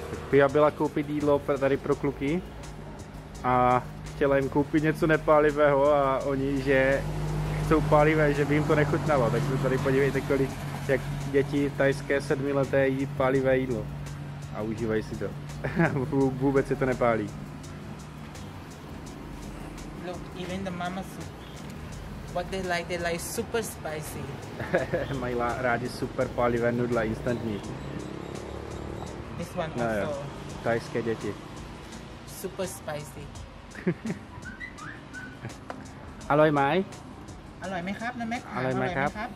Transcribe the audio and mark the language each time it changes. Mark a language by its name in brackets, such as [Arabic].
[Czech] Pia byla koupit jídlo tady pro kluky a chtěla jim koupit něco nepálivého a oni, že chcou pálivé, že by jim to nechutnalo. Tak se tady podívejte, kolik, jak děti thajské sedmileté jí pálivé jídlo a užívají si to. Vůbec se to nepálí. [English] Look, even the mama soup, what they like super spicy. [Czech] Mají rádi super pálivé nudle, instantní. No jo, thajské děti. [English] Super spicy. [Thai] Aloj mai. Aloj mai khap, namek. Aloj mai khap.